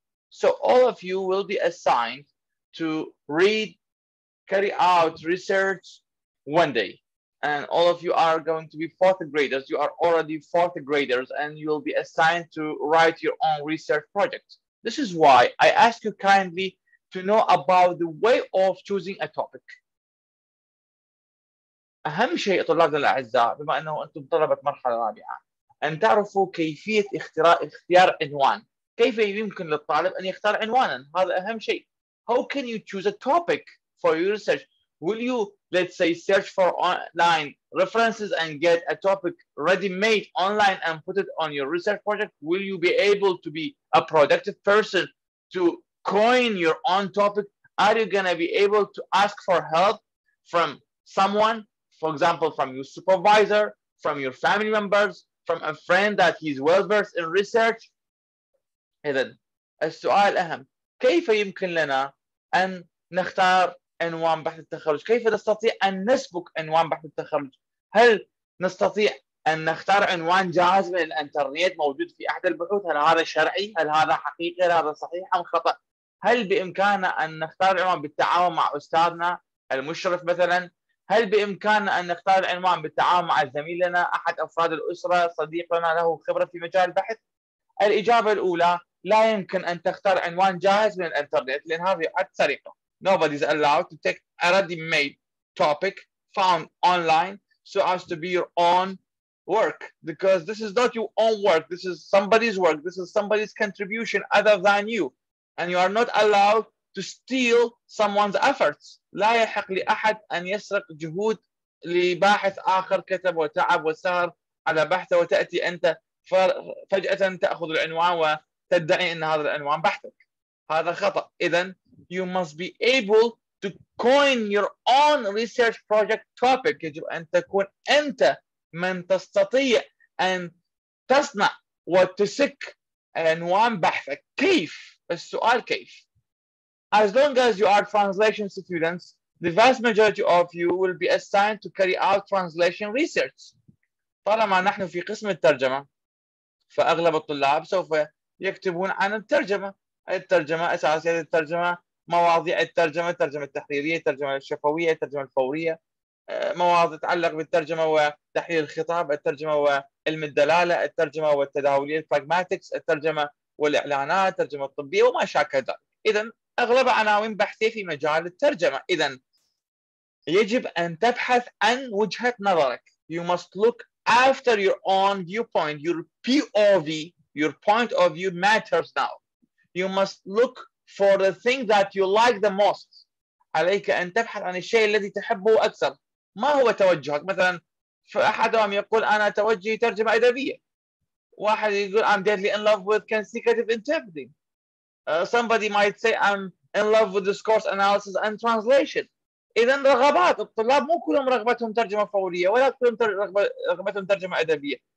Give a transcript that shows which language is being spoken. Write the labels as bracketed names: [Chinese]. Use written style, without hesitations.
[English] So all of you will be assigned to read, carry out research one day. And all of you are going to be fourth graders. You are already fourth graders, and you will be assigned to write your own research project. This is why I ask you kindly to know about the way of choosing a topic. [Arabic] أهم شيء طلابنا الأعزاء بما أنه أنتم طلبة مرحلة رابعة أن تعرفوا كيفية اختيار عنوان. كيف يمكن للطالب أن يختار عنوانا؟ هذا أهم شيء. [English] How can you choose a topic for your research? Will you, let's say, search for online references and get a topic ready-made online and put it on your research project? Will you be able to be a productive person to coin your own topic? Are you going to be able to ask for help from someone? For example, from your supervisor, from your family members, from a friend that he's well-versed in research. [Arabic] إذن السؤال الأهم، كيف يمكن لنا أن نختار عنوان بحث التخرج؟ كيف نستطيع أن نسبق عنوان بحث التخرج؟ هل نستطيع أن نختار عنوان جاهز من الإنترنت موجود في أحد البحوث؟ هل هذا شرعي؟ هل هذا حقيقي؟ هل هذا صحيح أم خطأ؟ هل بإمكاننا أن نختار عنوان بالتعاون مع أستاذنا المشرف مثلاً؟ هل بإمكاننا أن نختار العنوان بالتعاون مع الزميل لنا، أحد أفراد الأسرة، صديقنا له خبرة في مجال البحث؟ الإجابة الأولى، لا يمكن أن تختار عنوان جاهز من الإنترنت، لأن هذه يعد سرقة. [English] Nobody is allowed to take a ready-made topic found online so as to be your own work, because this is not your own work, this is somebody's work, this is somebody's contribution other than you, and you are not allowed to steal someone's efforts. [Arabic] لا يحق لأحد أن يسرق جهود لباحث آخر كتب وتعب وسهر على بحثه، وتأتي أنت فجأة تأخذ العنوان وتدعي أن هذا العنوان بحثك. هذا خطأ. إذن [English] you must be able to coin your own research project topic. [Arabic] يجب أن تكون أنت من تستطيع أن تصنع وتسك عنوان بحثك. كيف؟ السؤال كيف؟ [English] As long as you are translation students, the vast majority of you will be assigned to carry out translation research. [Arabic] طالما نحن في قسم الترجمة، فأغلب الطلاب سوف يكتبون عن الترجمة. الترجمة، أساسيات الترجمة، مواضيع الترجمة، الترجمة التحريرية، الترجمة الشفوية، الترجمة الفورية، مواضيع تتعلق بالترجمة وتحليل الخطاب، الترجمة وعلم الدلالة، الترجمة والتداولية pragmatics، الترجمة والإعلانات، الترجمة الطبية وما شابه ذلك. إذن أغلب عناوين بحثي في مجال الترجمة. إذن يجب أن تبحث عن وجهة نظرك. [English] You must look after your own viewpoint. Your POV, your point of view matters now. You must look for the thing that you like the most. [Arabic] عليك أن تبحث عن الشيء الذي تحبه أكثر. ما هو توجهك؟ مثلاً فأحدهم يقول أنا توجهي ترجمة أدبية. واحد يقول [English] I'm deadly in love with consecutive interpreting. Somebody might say I'm in love with discourse analysis and translation. [Arabic] إذن رغبات الطلاب، مو كلهم رغبتهم ترجمة فورية ولا كلهم رغبتهم ترجمة أدبية.